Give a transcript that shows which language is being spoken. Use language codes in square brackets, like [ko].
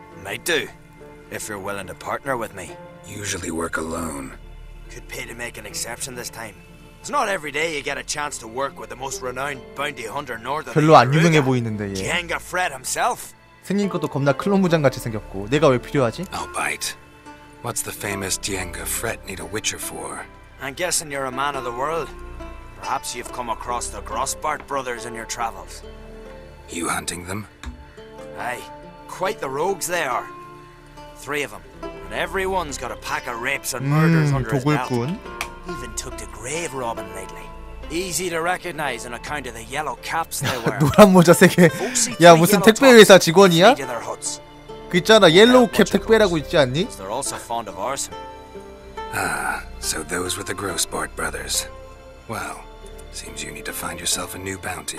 [en] Might do, if you're willing to partner with me. Usually work alone. Could pay to make an exception this time. It's not every day you get a chance to work with the most renowned bounty hunter northern. [ko] 별로 안 유명해 보이는데 얘. [en] Jenga Fred himself. [ko] 생긴 것도 겁나 클론 무장 같이 생겼고 내가 왜 필요하지? [en] I'll bite. What's the famous Jenga Fred need a witcher for? I'm guessing you're a man of the world. Perhaps you've come across the Grossbart brothers in your travels. You hunting them? Aye, quite the rogues they are. Three of them. And everyone's got a pack of rapes and murders under his belt. [ko] 도굴꾼. [en] Even took to grave robbing lately. Easy to recognize on account of the yellow caps they wear. [ko] 노란 모자 세 개. 야, 무슨 택배 회사 직원이야? 그 있잖아, 옐로우 캡 택배라고 있지 않니? [en] They're also fond of arson. Ah, so those were the Grossbart brothers. Well, seems you need to find yourself a new bounty.